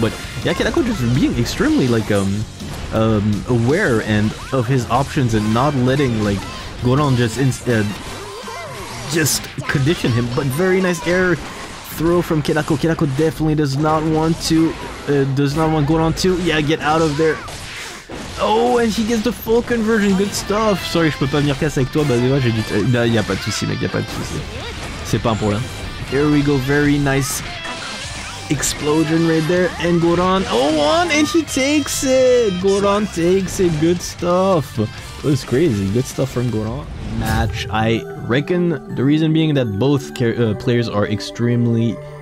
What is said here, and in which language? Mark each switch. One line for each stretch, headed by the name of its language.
English: But yeah, Kedaku just being extremely, like, aware and of his options and not letting like Goron just instead just condition him. But very nice air throw from Kedaku. Kedaku definitely does not want Goron to get out of there. Oh, and he gets the full conversion. Good stuff.
French: Sorry, je peux pas venir casse avec toi. Bah, déjà, j'ai dit, y a pas de soucis, mec. Y a pas de soucis. C'est pas un problème. Here we go. Very nice.
English: Explosion right there, and Goron, and he takes it! Goron takes it, good stuff! It was crazy, good stuff from Goron. Match, I reckon the reason being that both players are extremely...